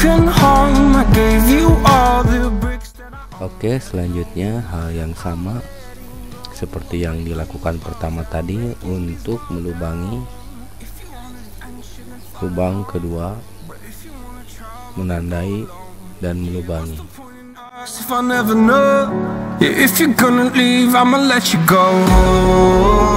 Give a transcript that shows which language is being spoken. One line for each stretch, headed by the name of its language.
English: broken home, I gave you all the bricks that I...
Indonesian: Oke, selanjutnya hal yang sama seperti yang dilakukan pertama tadi, untuk melubangi lubang kedua, menandai dan melubangi.
English: If I never know, yeah, if you're gonna leave, I'ma let you go.